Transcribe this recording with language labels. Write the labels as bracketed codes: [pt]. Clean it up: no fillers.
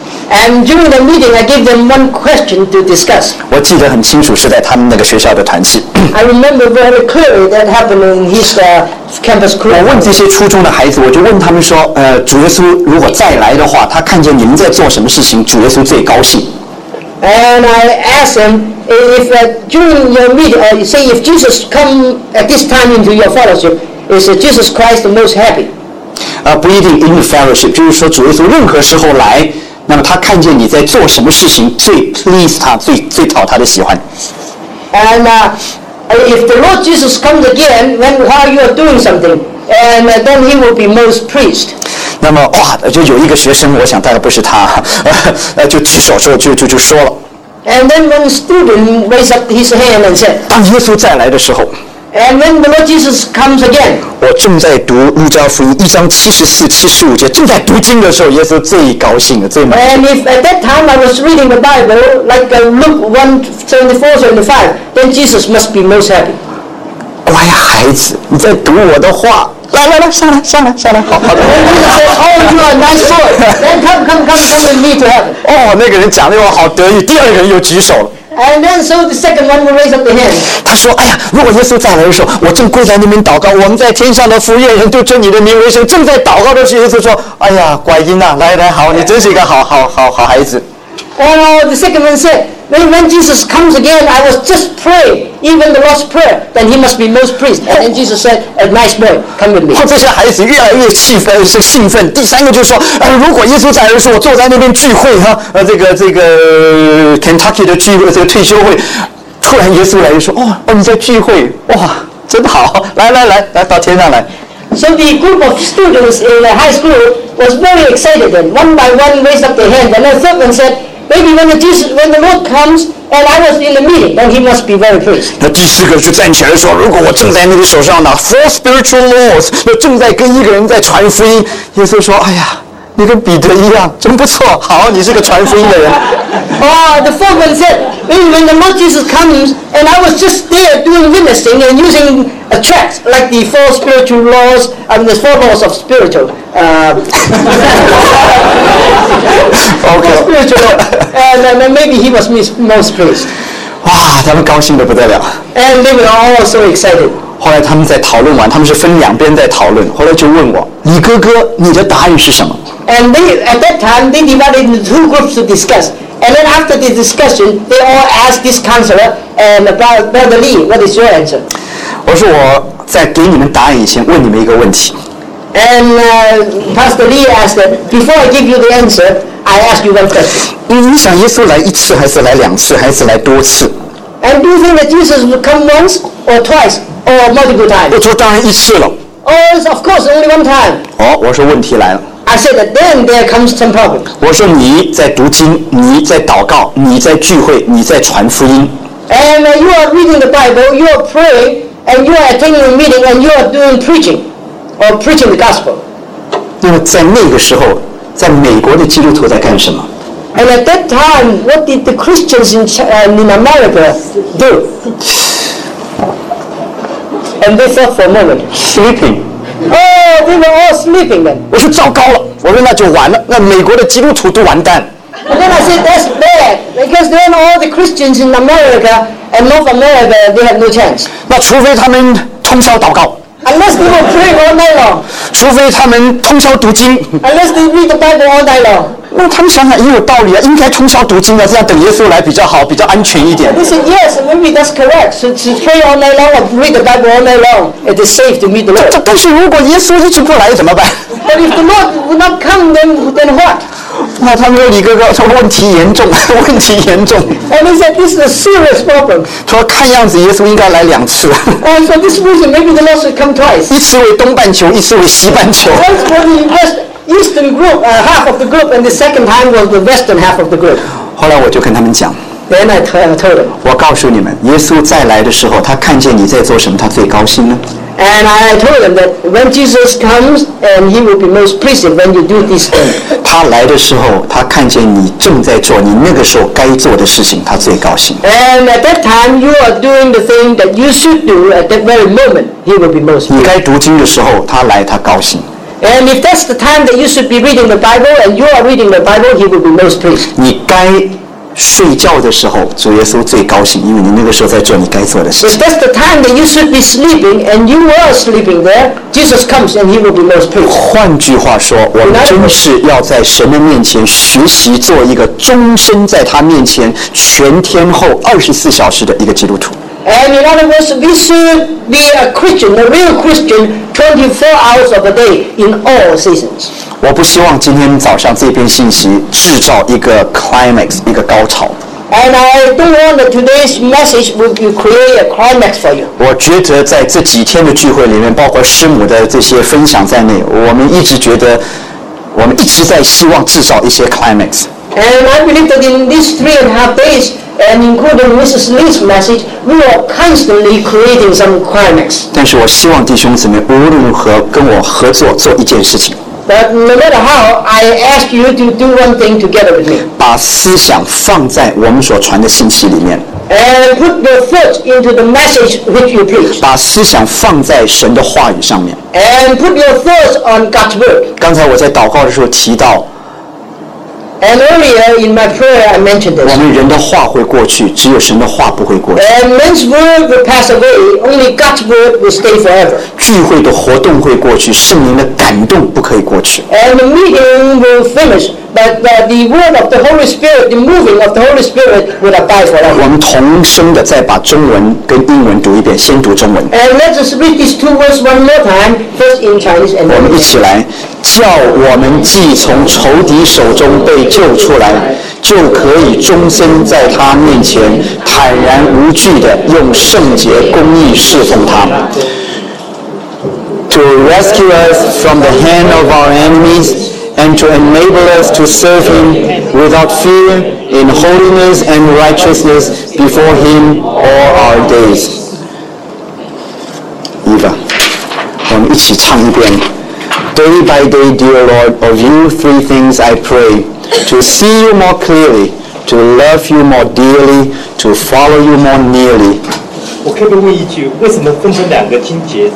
[en] And during the meeting, I gave them one question to discuss. [zh] 我记得很清楚，是在他们那个学校的团契。 [en] I remember very clearly that happened in his campus group. [zh] 我问这些初中的孩子，我就问他们说，主耶稣如果再来的话，他看见你们在做什么事情，主耶稣最高兴。 [en] And I asked them if during your meeting, say if Jesus come at this time into your fellowship, is Jesus Christ the most happy? [zh] 不一定 [en] in the fellowship， [zh] 就是说主耶稣任何时候来。那么他看见你在做什么事情最 please 他最讨他的喜欢。 [en] And if the Lord Jesus comes again when while you are doing something, and then he will be most pleased. [zh] 那么哇，就有一个学生，我想大概不是他，就举手说就说了。 [en] And then when the student raised up his hand and said, [zh] 当耶稣再来的时候。 [en] And when the Lord Jesus comes again, [zh] 我正在读路加福音一章74-75节，正在读经的时候，耶稣最高兴了，最满意。 [en] And if at that time I was reading the Bible, like Luke 1:74-75, then Jesus must be most happy. [zh] 乖孩子，你在读我的话。来，上来，好的。 [en] Oh, you are nice boy. Then come with me to heaven. [zh] 哦，那个人讲的我好得意，第二个人又举手了。 [en] And then so the second one will raise up the hand. [zh] 他说：“哎呀，如果耶稣再来的时候，我正跪在那边祷告，我们在天上的服侍人就称你的名为神，正在祷告的时候，耶稣说：‘哎呀，乖婴啊，来来，好，你真是一个好孩子。’” [en] And the second one said. When Jesus comes again, I was just praying, even the Lord's Prayer, then he must be most pleased. And then Jesus said, a nice boy, come with me. [zh] 这些孩子越来越气愤，是兴奋。第三个就说，如果耶稣再来的时候，我坐在那边聚会，这个 Kentucky 的聚会，这个退休会，突然耶稣来就说，哦，你在聚会，哇，真好，来来来，来到天上来。 [en] So the group of students in the high school was very excited then. One by one raised up their hand, and the third one said,Maybe when the Lord comes and I was in the meeting, then he must be very pleased. [zh] 那第四个就站起来说，如果我正在那个手上拿 four spiritual laws， 那正在跟一个人在传福音，耶稣说，哎呀，你跟彼得一样，真不错，好，你是个传福音的人。 [en] the fourth one said, Maybe when the Lord Jesus comes and I was just there doing witnessing and using a tract like the four spiritual laws and the four laws of spiritual. Okay. And then maybe he was most pleased. [zh] 哇，他们高兴得不得了。 [en] And they were all so excited. [zh] 后来他们在讨论完，他们是分两边在讨论。后来就问我，李哥哥，你的答案是什么 [en] ？And they at that time they divided into two groups to discuss. And then after the discussion, they all asked this counselor and Brother Lee, what is your answer? [zh] 我说我在给你们答案以前，问你们一个问题。 [en] And Pastor Lee asked that before I give you the answer. I ask you one question. [zh] 你想耶稣来一次，还是来两次，还是来多次 [en] ？And do you think that Jesus will come once or twice or multiple times? [zh] 我说当然一次了。 [en] Oh, of course, only one time. [zh] 哦，我说问题来了。 [en] I said that then there comes some problem. [zh] 我说你在读经，你在祷告，你在聚会，你在传福音。 [en] And you are reading the Bible, you are praying, and you are attending a meeting, and you are doing preaching or preaching the gospel. [zh] 那么在那个时候。在美国的基督徒在干什么 [en] ？And at that time, what did the Christians in America do? And they thought for a moment. Sleeping. Oh, they were all sleeping then. [zh] 我说糟糕了，我说那就完了，那美国的基督徒都完蛋。 [en] And then I said that's bad because then all the Christians in America and North America they have no chance. [zh] 那除非他们通宵祷告。 [en] Unless they will pray all night long. [zh] 除非他们通宵读经。 [en] Unless they read the Bible all night long. [zh] 那他们想想也有道理啊，应该通宵读经的，这样等耶稣来比较好，比较安全一点。 [en] They said yes, maybe that's correct. So to pray all night long or read the Bible all night long, it is safe to meet the Lord. [zh] 但是如果耶稣一直不来怎么办 [en] ？But if the Lord will not come, then what? [zh] 那他们说李哥哥说问题严重，问题严重。 [en] And he said this is a serious problem. [zh] 说看样子耶稣应该来两次。 [en] And so this reason maybe the Lord should come twice. [zh] 一次为东半球，一次为西半球。 [en] Once for the Eastern group, half of the group, and the second time was the Western half of the group. [zh] 后来我就跟他们讲。 [en] Then I told them. [zh] 我告诉你们，耶稣再来的时候，他看见你在做什么，他最高兴呢。 [en] And I told them that when Jesus comes, and he will be most pleased when you do this thing. [zh] 他来的时候，他看见你正在做你那个时候该做的事情，他最高兴。 [en] And at that time, you are doing the thing that you should do at that very moment. He will be most pleased. [zh] 你该读经的时候，他来，他高兴。 [en] And if that's the time that you should be reading the Bible, and you are reading the Bible, he will be most pleased. [zh] 你该睡觉的时候，主耶稣最高兴，因为你那个时候在做你该做的事情。 [en] If that's the time that you should be sleeping and you were sleeping there, Jesus comes and he will be most pleased. [zh] 换句话说，我们真是要在神的面前学习做一个终身在他面前全天候24小时的一个基督徒。 [en] And in other words, we should be a Christian, a real Christian, 24 hours of a day in all seasons. [zh] 我不希望今天早上这篇信息制造一个 climax, 一个高潮。 [en] And I don't want that today's message will create a climax for you. [zh] 我觉得在这几天的聚会里面，包括师母的这些分享在内，我们一直觉得，我们一直在希望制造一些 climax. [en] And I believe that in these 3.5 days,And including Mrs. Lee's message, we are constantly creating some climax. [zh] 但是我希望弟兄姊妹无论如何跟我合作做一件事情。 [en] But no matter how, I ask you to do one thing together with me. [zh] 把思想放在我们所传的信息里面。 [en] And put your thoughts into the message which you preach. [zh] 把思想放在神的话语上面。 [en] And put your thoughts on God's word. [zh] 刚才我在祷告的时候提到。 [en] And earlier in my prayer, I mentioned this. [zh] 我们人的话会过去，只有神的话不会过去。 [en] And men's word will pass away; only God's word will stay forever. [zh] 聚会的活动会过去，圣灵的感动不可以过去。 [en] And the meeting will finish. But the word of the Holy Spirit, the moving of the Holy Spirit will abide forever. [zh] 我们同声的再把中文跟英文读一遍，先读中文。 [en] And let us read these two words one more time, first in Chinese and [zh] then. 我们一起来，叫我们既从仇敌手中被救出来，就可以终身在他面前坦然无惧的用圣洁公义侍奉他。 [en] To rescue us from the hand of our enemies. And to enable us to serve Him without fear in holiness and righteousness before Him all our days. [zh] Eva, 我们一起唱一遍。 [en] Day by day, dear Lord, of you three things I pray: to see you more clearly, to love you more dearly, to follow you more nearly. [zh] 我可以问一句，为什么分成两个经节？